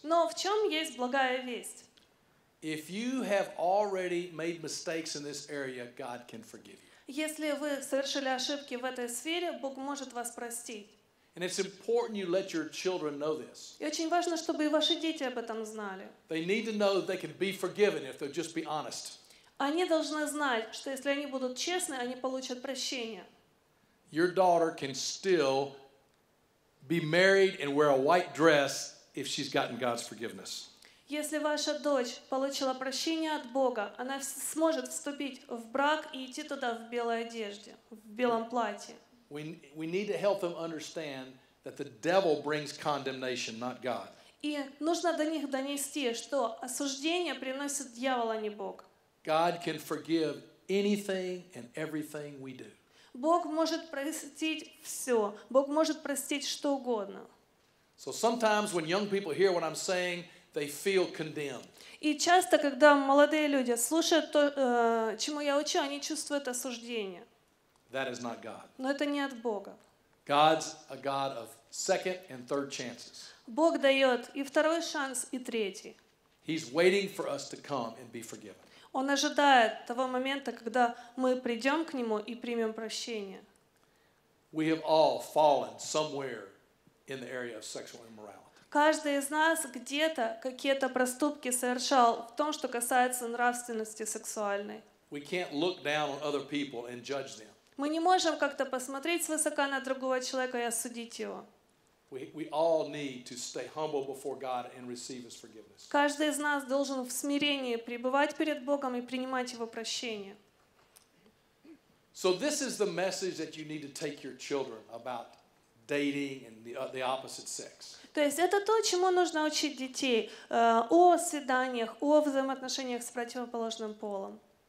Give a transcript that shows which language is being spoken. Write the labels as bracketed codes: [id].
[ru] Но в чем есть благая весть? [en] If you have already made mistakes in this area, God can forgive you. [ru] Если вы совершили ошибки в этой сфере, Бог может вас простить. [en] And it's important you let your children know this. [ru] И очень важно, чтобы и ваши дети об этом знали. [en] They need to know they can be forgiven if they'll just be honest. [ru] Они должны знать, что если они будут честны, они получат прощение. [en] Your daughter can still be married and wear a white dress if she's gotten God's forgiveness. [ru] Если ваша дочь получила прощение от Бога, она сможет вступить в брак и идти туда в белой одежде, в белом платье. [en] We need to help them understand that the devil brings condemnation, not God. [ru] И нужно до них донести, что осуждение приносит дьявол, а не Бог. [en] God can forgive anything and everything we do. [ru] Бог может простить все. Бог может простить что угодно. [en] So sometimes when young people hear what I'm saying, they feel condemned. [ru] И часто, когда молодые люди слушают то, чему я учу, они чувствуют осуждение. [en] That is not God. [ru] Но это не от Бога. [en] God's a God of second and third chances. [ru] Бог дает и второй шанс, и третий. [en] He's waiting for us to come and be forgiven. [ru] Он ожидает того момента, когда мы придем к Нему и примем прощение. [en] We have all fallen somewhere in the area of sexual immorality. [ru] Каждый из нас где-то какие-то проступки совершал в том, что касается нравственности сексуальной. [en] We can't look down on other people and judge them. [ru] Мы не можем как-то посмотреть свысока на другого человека и осудить его. [en] We all need to stay humble before God and receive His forgiveness. [ru] Каждый из нас должен в смирении пребывать перед Богом и принимать Его прощение. [en] So this is the message that you need to take your children about dating and the opposite sex. [ru] То есть это то, чему нужно учить детей о свиданиях, о взаимоотношениях с противоположным полом.